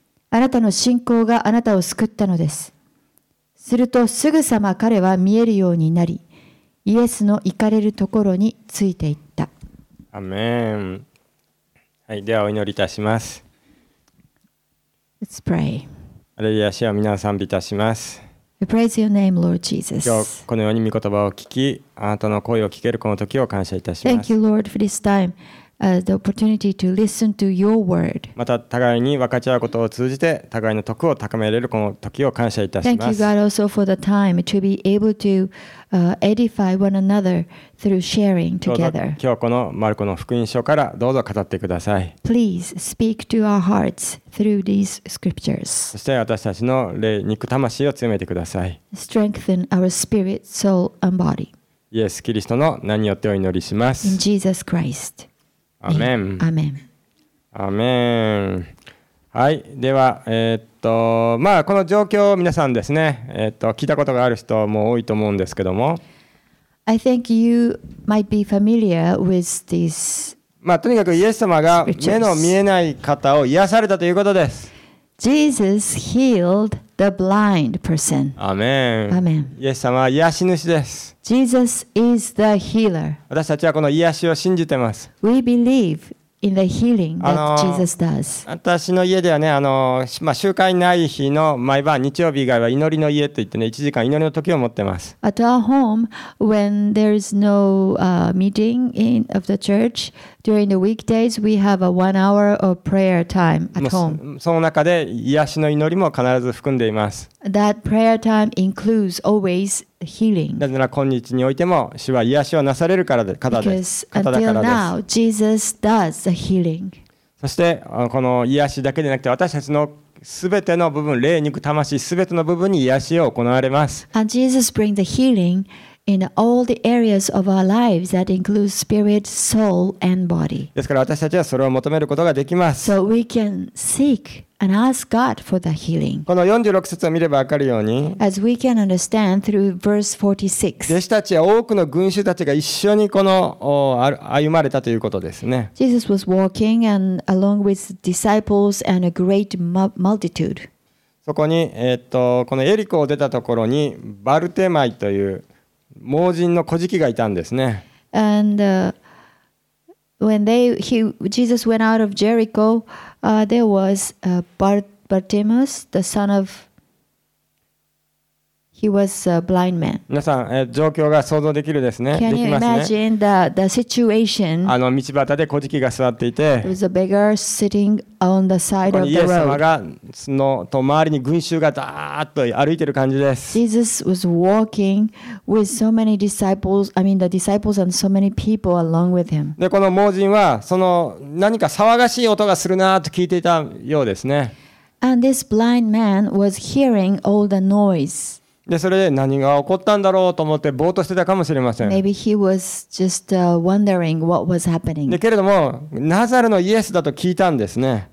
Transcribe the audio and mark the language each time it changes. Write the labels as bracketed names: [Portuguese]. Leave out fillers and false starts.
[Japanese] あなたの信仰があなたを救ったのです。するとすぐさま彼は見えるようになり、イエスの行かれるところについていった。アメン。はい、ではお祈りいたします。 [English] Let's pray. [Japanese] アレルヤ、主を皆を賛美いたします。 [English] We praise your name, Lord Jesus. [Japanese] 今日このように御言葉を聞き、あなたの声を聞けるこの時を感謝いたします。 [English] Thank you, Lord, for this time, the opportunity to listen to your word. [Japanese] また互いに分かち合うことを通じて互いの徳を高められるこの時を感謝いたします。 [English] Thank you, God, also for the time to be able to edify one another through sharing together. [Japanese] 今日このマルコの福音書からどうぞ語ってください。 [English] Please speak to our hearts through these scriptures. [Japanese] そして私たちの霊、肉、魂を強めてください。 [English] Strengthen our spirit, soul, and body. [Japanese] イエス・キリストの名によってお祈りします。 [English] In Jesus Christ. Amen. Amen. Amen. [Japanese] はい、では、この状況を皆さんですね、聞いたことがある人も多いと思うんですけども。 [English] I think you might be familiar with this. [Japanese] とにかくイエス様が目の見えない方を癒されたということです。 [English] Jesus healed the blind person. [Japanese] アメン。アメン。イエス様は癒し主です。 [English] Jesus is the healer. [Japanese] 私たちはこの癒しを信じてます。 [English] We believe in the healing that Jesus does. [Japanese] 私の家ではね、集会ない日の毎晩、日曜日以外は祈りの家といってね、1時間祈りの時を持ってます。 [English] At our home, when there is no meeting in of the church, during the weekdays, we have a one hour of prayer time at home. [Japanese] その中で癒しの祈りも必ず含んでいます。 [English] That prayer time includes always healing. [Japanese] なぜなら今日においても主は癒しをなされる方です。 [English] Because until now, Jesus does the healing. [Japanese] そしてこの癒しだけでなくて私たちのすべての部分、霊、肉、魂、すべての部分に癒しを行われます。 [English] And Jesus brings the healing in all the areas of our lives that include spirit, soul, and body. ですから私たちはそれを求めることができます。 So we can seek and ask God for the healing. [Japanese] この46節を見ればわかるように、 [English] As we can understand through verse 46, [Japanese] 弟子たちや多くの群衆たちが一緒にこの歩まれたということですね。 [English] Jesus was walking and along with disciples and a great multitude. [Japanese] そこに、このエリコを出たところにバルテマイという盲人の乞食がいたんですね。 [English] And, when Jesus went out of Jericho, there was Bartimaeus, the son of. He was a blind man. [Japanese] 皆さん、状況が想像できるですね。 [English] Can you imagine the situation? [Japanese] 道端で乞食が座っていて、 [English] There was a beggar sitting on the side of the road. [Japanese] イエス様がその周りに群衆がだーっと歩いている感じです。 [English] Jesus was walking with so many disciples. I mean, the disciples and so many people along with him. [Japanese] で、この盲人はその何か騒がしい音がするなと聞いていたようですね。 [English] And this blind man was hearing all the noise. [Japanese] でそれで何が起こったんだろうと思ってぼーっとしてたかもしれません。 [English] Maybe he was just wondering what was happening. [Japanese] けれどもナザレのイエスだと聞いたんですね。